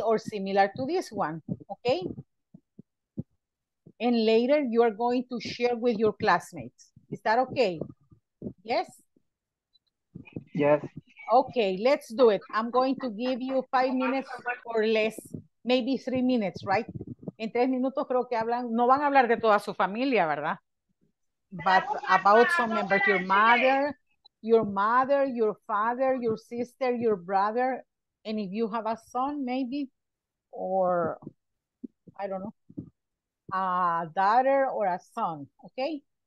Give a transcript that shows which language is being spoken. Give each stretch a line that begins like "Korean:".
English: Or similar to this one, okay? And later you are going to share with your classmates. Is that okay? Yes? Yes. Okay, let's do it. I'm going to give you 5 minutes or less, maybe 3 minutes, right?
Spanish: En 3 minutos creo que hablan, no van a hablar de toda su familia, ¿verdad?
English: But about some members, your mother, your father, your sister, your brother, and if you have a son, maybe, or, I don't know, a daughter or a son, okay?